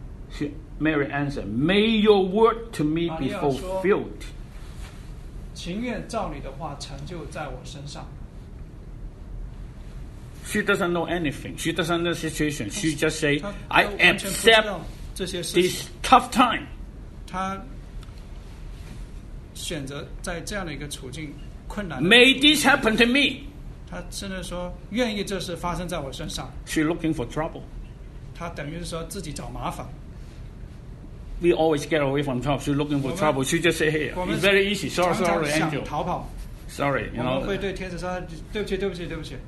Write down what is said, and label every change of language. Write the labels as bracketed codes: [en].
[en] She, Mary answered, "May your word to me be fulfilled." [zh] 情愿照你的话成就在我身上。 [en] She doesn't know anything. She doesn't know the situation. She just say, "I accept this tough time." [zh] 她选择在这样的一个处境困难。 [en] May this happen to me. [zh] 她甚至说愿意这事发生在我身上。 [en] She looking for trouble. [zh] 她等于是说自己找麻烦。 [en] We always get away from trouble. She's looking for trouble. She just say, "Hey, it's very easy. Sorry, angel. Sorry, you know." [zh] 我们会对天使说，对不起，对不起，对不起。